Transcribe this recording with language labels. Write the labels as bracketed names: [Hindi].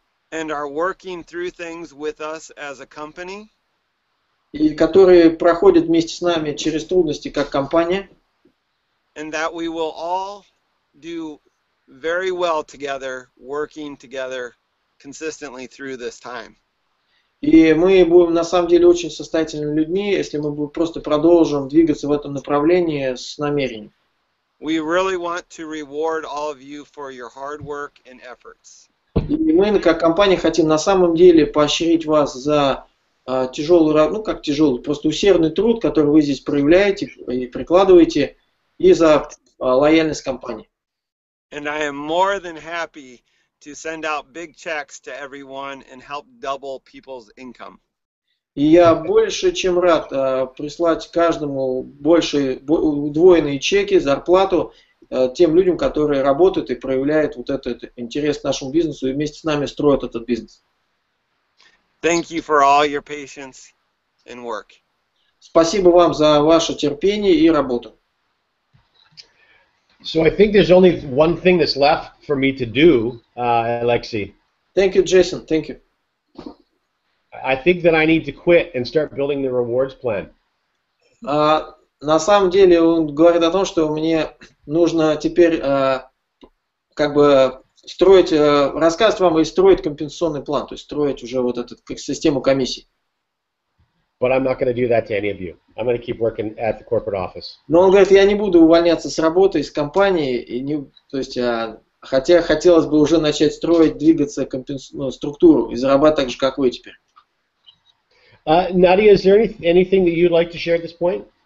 [English] And are working through things with us as a company. [Russian] И которые проходят вместе с нами через трудности как компания. [English] And that we will all do very well together, working together consistently through this time. [Russian] И мы будем на самом деле очень состоятельными людьми, если мы просто продолжим двигаться в этом направлении с намерением. [English] We really want to reward all of you for your hard work and efforts. [Russian] И мы как компания хотим на самом деле поощрить вас за тяжелый, просто усердный труд, который вы здесь проявляете и прикладываете, и за лояльность компании. [English] And I am more than happy to send out big checks to everyone and help double people's income. [Russian] И я больше чем рад прислать каждому больше удвоенные чеки, зарплату тем людям, которые работают и проявляют вот этот интерес к нашему бизнесу и вместе с нами строят этот бизнес. [English] Thank you for all your patience and work. [Russian] Спасибо вам за ваше терпение и работу. [English] So I think there's only one thing that's left for me to do, Alexei. Thank you, Jason. Thank you. I think that I need to quit and start building the rewards plan. [Russian] На самом деле он говорит о том, что мне нужно теперь как бы строить, рассказывать вам и строить компенсационный план, то есть строить уже вот эту систему комиссий. [English] But I'm not going to do that to any of you. I'm going to keep working at the corporate office. [Russian] Но он говорит, я не буду увольняться с работы, с компании, и не, то есть, хотя хотелось бы уже начать строить, двигаться компенсационную структуру и зарабатывать так же, как вы теперь. [English] Nadia, is there anything that you'd like to share at this point?